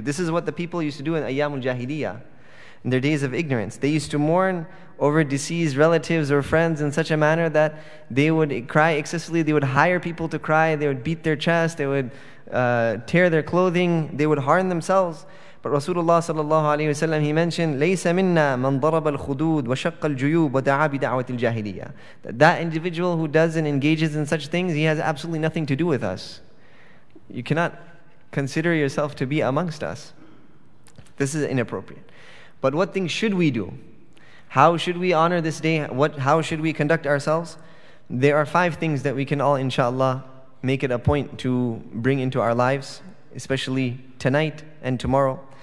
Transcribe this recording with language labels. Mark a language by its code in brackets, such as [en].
[en] This is what the people used to do in Ayyamul Jahiliyyah, in their days of ignorance. They used to mourn over deceased relatives or friends in such a manner that they would cry excessively, they would hire people to cry, they would beat their chest, they would tear their clothing, they would harm themselves. But Rasulullah sallallahu alayhi wa sallam, he mentioned, [ar] لَيْسَ مِنَّا مَنْ ضَرَبَ الْخُدُودِ وَشَقَّ الْجُيُوبِ وَدَعَى بِدَعْوَةِ الْجَاهِلِيَّةِ. [en] That individual who does and engages in such things, he has absolutely nothing to do with us. You cannot consider yourself to be amongst us. This is inappropriate. But what things should we do? How should we honor this day? How should we conduct ourselves? There are 5 things that we can all, inshallah, make it a point to bring into our lives, especially tonight and tomorrow.